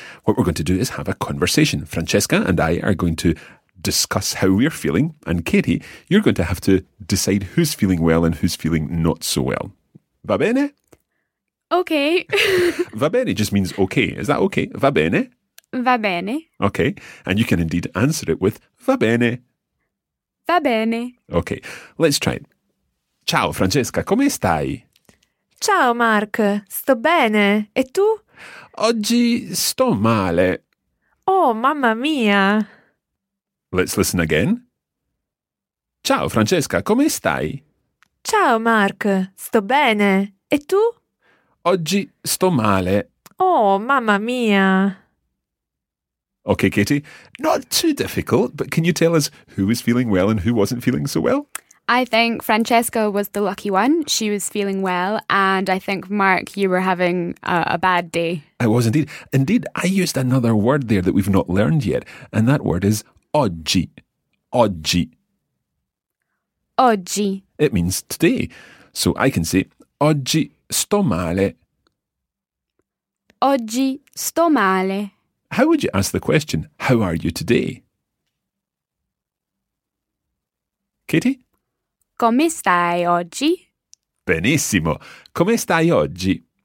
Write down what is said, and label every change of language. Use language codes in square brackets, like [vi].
[en] What we're going to do is have a conversation. Francesca and I are going to discuss how we're feeling, and Katie, you're going to have to decide who's feeling well and who's feeling not so well. [it] Va bene? [en] Okay. [it] Va bene [en] just means okay. Is that okay? [it] Va bene? Va bene. [en] Okay, and you can indeed answer it with [it] va bene. Va bene. [en] Okay, let's try it. [it] Ciao Francesca, come stai? Ciao Mark, sto bene. E tu? Oggi sto male. Oh, mamma mia. [en] Let's listen again. [it] Ciao Francesca, come stai? Ciao Mark, sto bene. E tu? Oggi sto male. Oh, mamma mia. [en] Okay, Katie, not too difficult, but can you tell us who was feeling well and who wasn't feeling so well? I think Francesca was the lucky one. She was feeling well. And I think, Mark, you were having a bad day. I was indeed. Indeed, I used another word there that we've not learned yet. And that word is oggi. Oggi. [it] Oggi. [en] It means today. So I can say, [it] oggi sto male. Oggi sto male. [en] How would you ask the question, how are you today? Katie? [it] Come stai oggi? Benissimo. Come stai oggi?